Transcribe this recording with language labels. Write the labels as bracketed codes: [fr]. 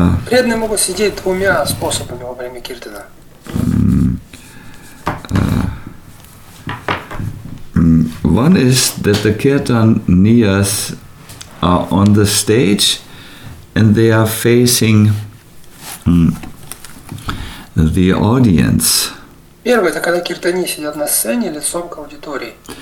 [ru] Преданные могут сидеть двумя способами во время киртана. [en] One is that the kirtaniyas are on the stage and they are facing the audience. [ru] Первое, это когда киртани сидят на сцене лицом к аудитории.